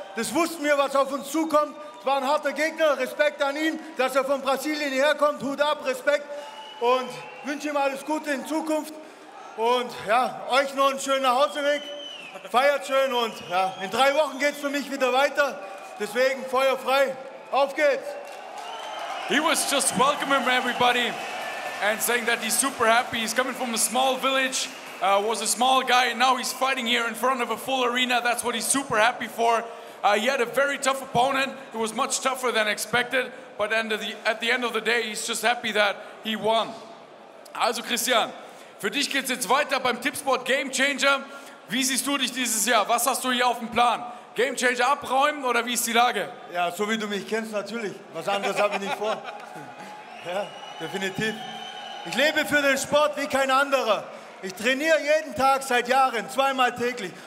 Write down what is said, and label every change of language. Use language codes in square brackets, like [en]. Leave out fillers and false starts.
[de] Das wussten wir, was auf uns zukommt. Es war ein harter Gegner. Respekt an ihn, dass er von Brasilien hierher kommt. Hut ab, Respekt. Und wünsche ihm alles Gute in Zukunft. Und ja, euch noch einen schönen Nachhauseweg. Feiert schön und ja, in drei Wochen geht's für mich wieder weiter. Deswegen Feuer frei. Auf geht's! [en] He was just welcoming everybody and saying that he's super happy. He's coming from a small village, was a small guy, and now he's fighting here in front of a full arena. That's what he's super happy for. He had a very tough opponent. It was much tougher than expected. But at the end of the day, he's just happy that he won. [de] Also Christian, für dich geht's jetzt weiter beim Tippsport Game Changer. Wie siehst du dich dieses Jahr? Was hast du hier auf dem Plan? Game Changer abräumen oder wie ist die Lage? Ja, so wie du mich kennst natürlich. Was anderes habe ich nicht vor. Ja, definitiv. Ich lebe für den Sport wie kein anderer. Ich trainiere jeden Tag seit Jahren, zweimal täglich.